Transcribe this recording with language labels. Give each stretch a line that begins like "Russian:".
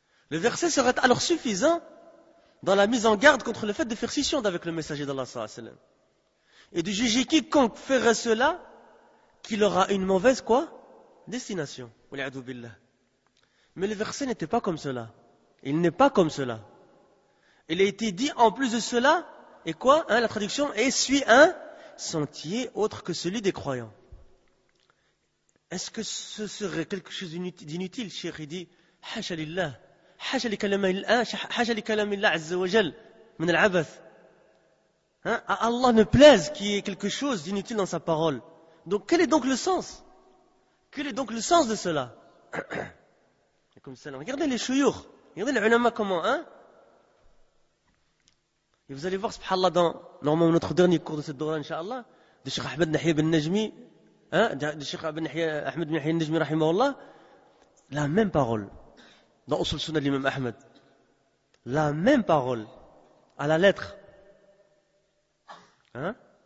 French: Le verset serait alors suffisant dans la mise en garde contre le fait de faire scission d'avec le messager d'Allah et de juger quiconque ferait cela qu'il aura une mauvaise quoi destination. Mais le verset n'était pas comme cela. Il n'est pas comme cela. Il a été dit en plus de cela et quoi hein, la traduction est suit un sentier autre que celui des croyants. Est-ce que ce serait quelque chose d'inutile, Cheikh, il dit,
Arabic: حاشا لله, حاشا لكلام الله, حاشا لكلام الله عز وجل, من العبث.
French: Hein? À Allah ne plaise qu'il y ait quelque chose d'inutile dans sa parole. Donc, quel est donc le sens? Quel est donc le sens de cela? Comme ça, regardez les chouyours, regardez les ulama comment, hein? Et vous allez voir, subhanallah, dans normalement notre dernier cours de cette dora, inshallah, de Cheikh Ahmed Nahiyah ben Najmi, hein, de Cheikh Ahmed Nahiyah ben Najmi, rahimahullah, la même parole, dans Usul Sunnah de l'imam Ahmed, la même parole, à la lettre. Hein?